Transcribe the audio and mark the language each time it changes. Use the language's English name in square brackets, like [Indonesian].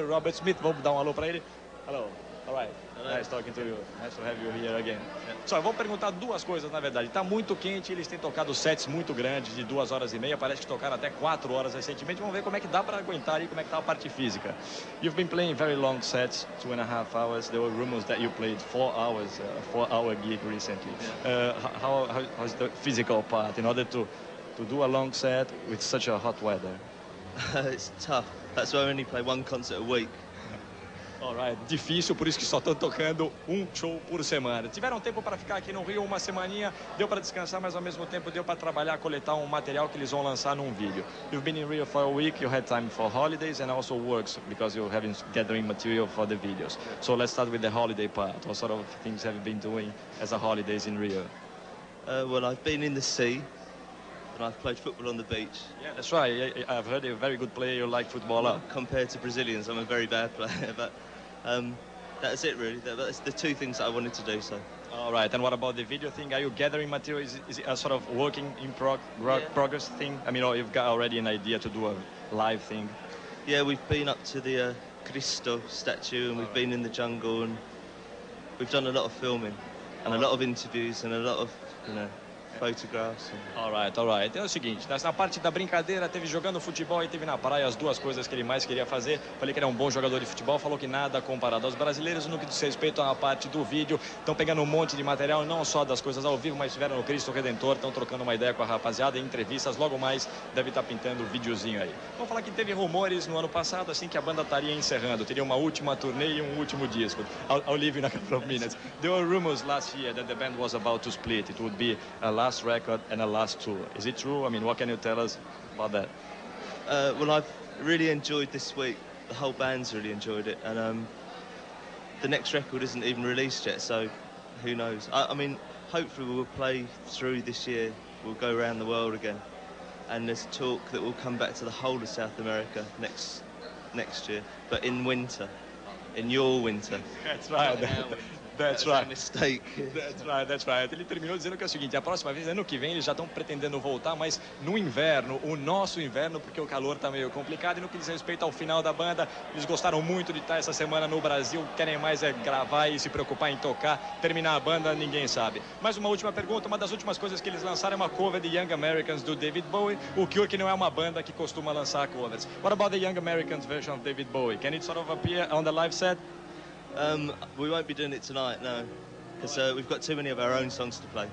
[English] Robert Smith. [Portuguese] Vamos dar um alô para ele. Alô, [English] all right. Nice talking to you. Nice to have you here again. [Portuguese] Só, eu vou perguntar duas coisas, na verdade. Está muito quente, eles têm tocado sets muito grandes, de 2 horas e meia. Parece que tocaram até 4 horas recentemente. Vamos ver como é que dá para aguentar e como é que está a parte física. [English] You've been playing very long sets, 2.5 hours. There were rumors that you played 4 hours, a 4-hour gig recently. Yeah. How's the physical part in order to do a long set with such a hot weather? It's tough. That's why I only play one concert a week. All right. [Portuguese] Difícil, por isso que só estão tocando um show por semana. Tiveram tempo para ficar aqui no Rio uma semaninha, deu para descansar, mas ao mesmo tempo deu para trabalhar, coletar um material que eles vão lançar num vídeo. [English] You've been in Rio for a week, you had time for holidays and also works, because you're having gathering material for the videos. So let's start with the holiday part. What sort of things have you been doing as a holidays in Rio? Well, I've been in the sea. And I've played football on the beach. Yeah, that's right. I've heard you're a very good player. You like football. Well, compared to Brazilians, I'm a very bad player. But that's it, really. That's the two things that I wanted to do. So. All right. And what about the video thing? Are you gathering material? Is it a sort of working in progress thing? I mean, or you've got already an idea to do a live thing? Yeah, we've been up to the Cristo statue, and we've been in the jungle, and we've done a lot of filming, and a lot of interviews, and a lot of, you know. All right. [Portuguese] Então é o seguinte, na parte da brincadeira, teve jogando futebol e teve na praia, as duas coisas que ele mais queria fazer. Falei que ele é um bom jogador de futebol, falou que nada comparado aos brasileiros. No que diz respeito à parte do vídeo, estão pegando um monte de material, não só das coisas ao vivo, mas estiveram no Cristo Redentor, estão trocando uma ideia com a rapaziada em entrevistas. Logo mais deve estar pintando o videozinho aí. Vou falar que teve rumores no ano passado, assim, que a banda estaria encerrando, teria uma última turnê e um último disco. [English] I'll leave in a couple of minutes. There were rumors last year that the band was about to split. It would be a last record and a last tour. Is it true? I mean, what can you tell us about that? Well, I've really enjoyed this week. The whole band's really enjoyed it. And the next record isn't even released yet, so who knows? I mean, hopefully we'll play through this year. We'll go around the world again. And there's talk that we'll come back to the whole of South America next year, but in winter, in your winter. That's right. That's right. [Portuguese] Ele terminou dizendo que é o seguinte: a próxima vez, ano que vem, eles já estão pretendendo voltar, mas no inverno, o nosso inverno, porque o calor está meio complicado. E no que diz respeito ao final da banda, eles gostaram muito de estar essa semana no Brasil, querem mais é gravar e se preocupar em tocar. Terminar a banda, ninguém sabe. Mais uma última pergunta: uma das últimas coisas que eles lançaram é uma cover de Young Americans do David Bowie. O Cure, que não é uma banda que costuma lançar covers. [English] What about the Young Americans version of David Bowie? Can it sort of appear on the live set? We won't be doing it tonight, no, because we've got too many of our own songs to play.